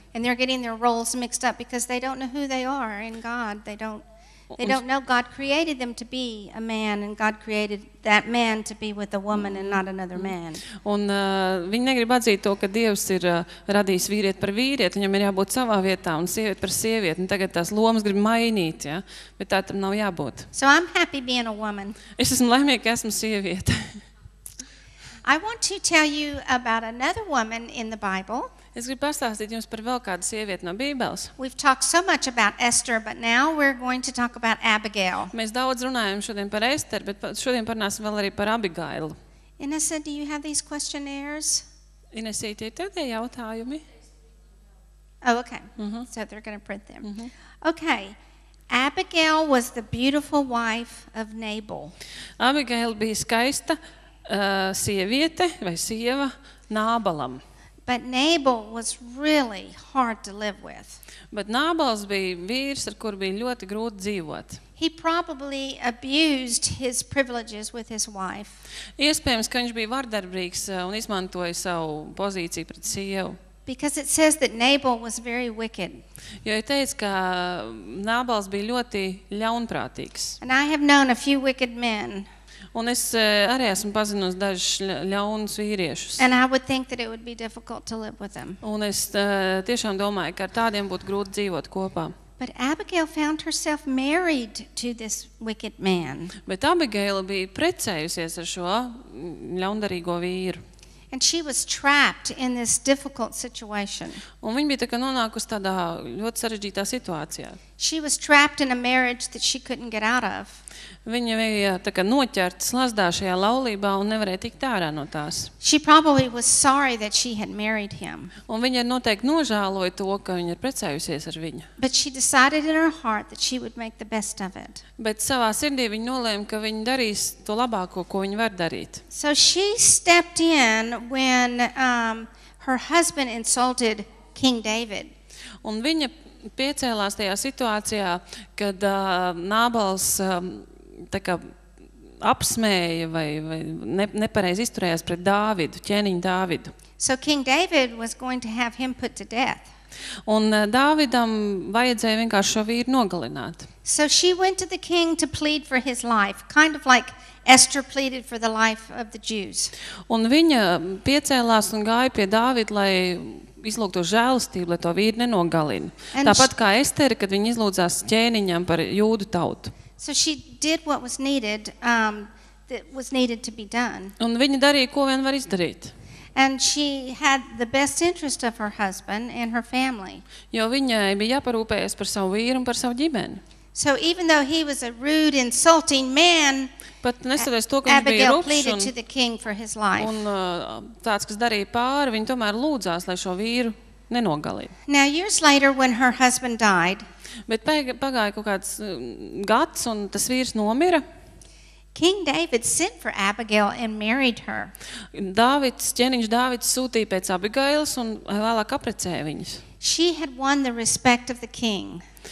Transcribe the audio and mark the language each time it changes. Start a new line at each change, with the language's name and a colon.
English: And they're getting their roles mixed up because they don't know who they are in God. They don't know God created them to be a man and God created that man to be with a woman and not another man.
Latvian: Un viņi negrib atzīt to, ka Dievs ir radījis vīrieti par vīrieti, viņam ir jābūt savā vietā un sievieti par sievieti, un tagad tās lomas grib mainīt, ja, bet tā tam nav jābūt.
English: So I'm happy being a woman.
Latvian: Es esmu laimīga, ka esmu sieviete.
English: I want to tell you about another woman in the Bible.
Latvian: Es gribu pastāstīt jums par vēl kādu sievieti no Bībeles.
English: We've talked so much about Esther, but now we're going to talk about Abigail.
Latvian: Mēs daudz runājam šodien par Esteru, bet šodien parunāsim vēl arī par Abigailu.
English: Inesa, do you have these questionnaires?
Latvian: Inesa, tie ir tev tie jautājumi?
English: Oh, okay. Mm-hmm. So they're going to print them. Mm-hmm. Okay. Abigail was the beautiful wife of Nabal.
Latvian: Abigail bija skaista sieviete vai sieva Nābalam.
English: But Nabal was really hard to live with.
Latvian: Bet Nābals bija vīrs, ar kuru bija ļoti grūti dzīvot.
English: He probably abused his privileges with his wife.
Latvian: Iespējams, ka viņš bija vardarbīgs un izmantoja savu pozīciju pret sievu.
English: Because it says that Nabal was very wicked.
Latvian: Jo ir teicis, ka Nābals bija ļoti ļaunprātīgs.
English: And I have known a few wicked men.
Latvian: Un es arī esmu pazinus dažus ļaunus vīriešus.
English: And I would think that it would be difficult to live with them.
Latvian: Un es tiešām domāju, ka ar tādiem būtu grūti dzīvot kopā.
English: But Abigail found herself married to this wicked man.
Latvian: Bet Abigail bija precējusies ar šo ļaundarīgo vīru.
English: And she was trapped in this difficult situation.
Latvian: Un viņa bija tā kā nonākusi tādā ļoti sarežģītā situācijā.
English: She was trapped in a marriage that she couldn't get out of.
Latvian: Viņa bija tā kā noķerta slazdā šajā laulībā un nevarēja tikt ārā no tās.
English: She probably was sorry that she had married him.
Latvian: Un viņa noteikti nožāloja to, ka viņa ir precējusies ar viņu.
English: But she decided in her heart that she would make the best of it.
Latvian: Bet savā sirdī viņa nolēma, ka viņa darīs to labāko, ko viņa var darīt.
English: So she stepped in when her husband insulted King David.
Latvian: Un viņa piecēlās tajā situācijā, kad Nābals tā kā apsmēja vai nepareiz izturējās pret Dāvidu, ķēniņu Dāvidu.
English: So King David was going to have him put to death.
Latvian: Un Dāvidam vajadzēja vienkārši šo vīru nogalināt.
English: So she went to the king to plead for his life, kind of like Esther pleaded for the life of the Jews.
Latvian: Un viņa piecēlās un gāja pie Dāvida, lai izlūgto žēlistību, lai to vīru nenogalina. Tāpat kā Estere, kad viņa izlūdzās ķēniņam par jūdu tautu.
English: So she did what was needed, that was needed to be done.
Latvian: Un viņa darīja, ko vien var izdarīt.
English: And she had the best interest of her husband and her family.
Latvian: Jo viņai bija jāparūpējas par savu vīru un par savu ģimeni.
English: So even though he was a rude, insulting man,
Latvian: bet nesaties to, ka Abigail viņš bija
English: pleaded to the king for his life.
Latvian: Un tāds, kas darīja pāri, viņa tomēr lūdzās, lai šo vīru nenogalīja.
English: Now years later, when her husband died,
Latvian: bet pagāja kaut kāds gads, un tas vīrs nomira.
English: King David sent for Abigail and married her.
Latvian: Dāvids, ķēniņš Dāvids sūtīja pēc Abigailas un vēlāk aprecēja viņus.
English: She had won the respect of the king.